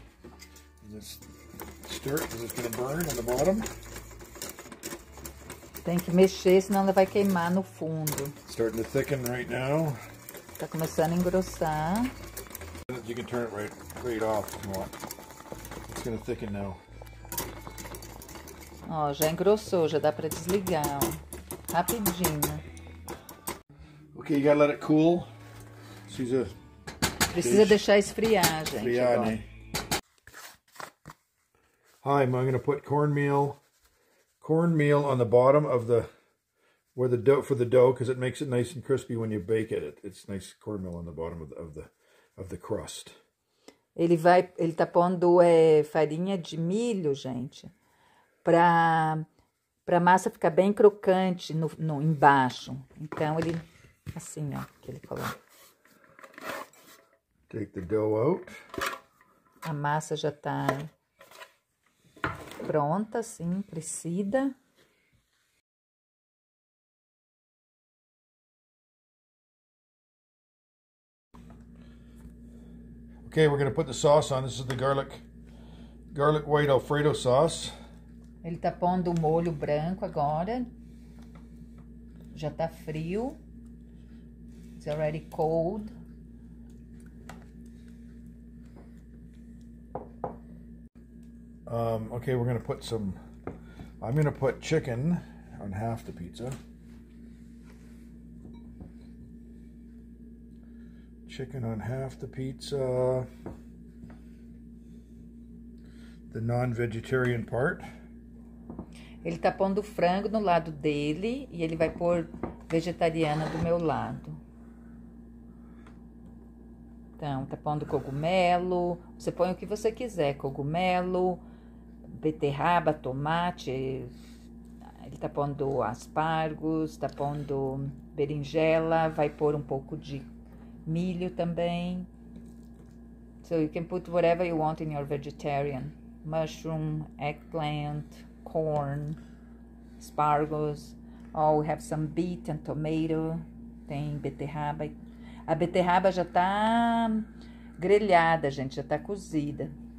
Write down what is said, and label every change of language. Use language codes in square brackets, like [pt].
[en] And this stir it because it's going to burn on the bottom. [pt] Tem que mexer, senão ela vai queimar no fundo. [en] Starting to thicken right now. [pt] Tá começando a engrossar. [en] You can turn it right off if you want. It's going to thicken now. [pt] Ó, já engrossou, já dá para desligar. Rapidinho. [en] Okay, you gotta let it cool. She's a. [pt] Precisa deixar esfriar, gente. Esfriar, agora. Né? [en] I'm going to put cornmeal on the bottom of the where the dough for the dough because it makes it nice and crispy when you bake it. It's nice cornmeal on the bottom of the crust. [pt] Ele tá pondo farinha de milho, gente, para massa ficar bem crocante no embaixo. Então ele assim, ó, que ele falou. [en] Take the dough out. [pt] A massa já tá pronta, assim, crescida. [en] Okay, we're going to put the sauce on. This is the garlic white Alfredo sauce. [pt] Ele tá pondo o molho branco agora. Já tá frio. [en] It's already cold. Okay, we're going to put some... I'm going to put chicken on half the pizza. Chicken on half the pizza. The non-vegetarian part. [pt] Ele tá pondo frango no lado dele e ele vai pôr vegetariana do meu lado. Então, tá pondo cogumelo. Você põe o que você quiser. Cogumelo, beterraba, tomate. Ele tá pondo aspargos, tá pondo berinjela. Vai pôr um pouco de milho também. [en] So, you can put whatever you want in your vegetarian. Mushroom, eggplant, corn, aspargos. Oh, we have some beet and tomato. [pt] Tem beterraba. A beterraba já tá grelhada, gente. Já tá cozida.